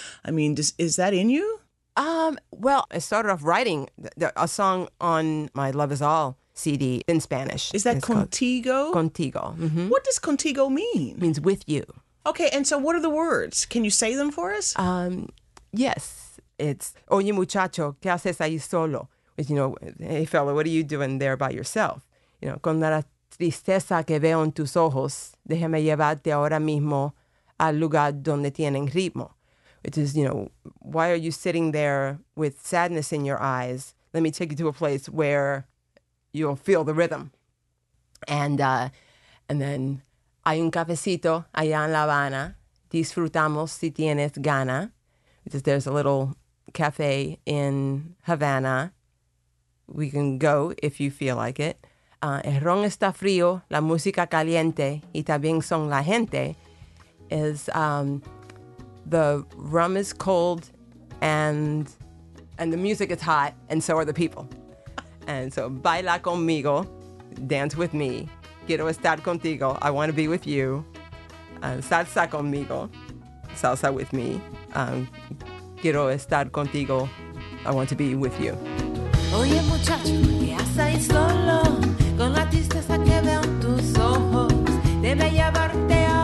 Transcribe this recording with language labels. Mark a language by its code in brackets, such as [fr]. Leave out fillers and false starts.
[en] I mean, is that in you? Well, I started off writing a song on my Love Is All CD in Spanish. Is that Contigo? Contigo. Mm-hmm. What does Contigo mean? It means with you. Okay, and so what are the words? Can you say them for us? Yes. [es] It's, oye muchacho, ¿qué haces ahí solo? [en] Which, you know, hey fella, what are you doing there by yourself? You know, [es] con la tristeza que veo en tus ojos, déjame llevarte ahora mismo al lugar donde tienen ritmo. [en] Which is, you know, why are you sitting there with sadness in your eyes? Let me take you to a place where you'll feel the rhythm. And then, [es] hay un cafecito allá en La Habana. Disfrutamos si tienes gana. [en] Which is, there's a little cafe in Havana. We can go if you feel like it. [es] El ron está frío, la música caliente, y también son la gente. [en] Is, the rum is cold and the music is hot and so are the people. And so, [es] baila conmigo, [en] dance with me. [es] Quiero estar contigo, [en] I want to be with you. [es] Salsa conmigo, [en] salsa with me. [es] Quiero estar contigo, [en] I want to be with you. [es] Oye muchacho, ¿qué haces ahí solo? Con la tristeza que veo en tus ojos, debe llevarte.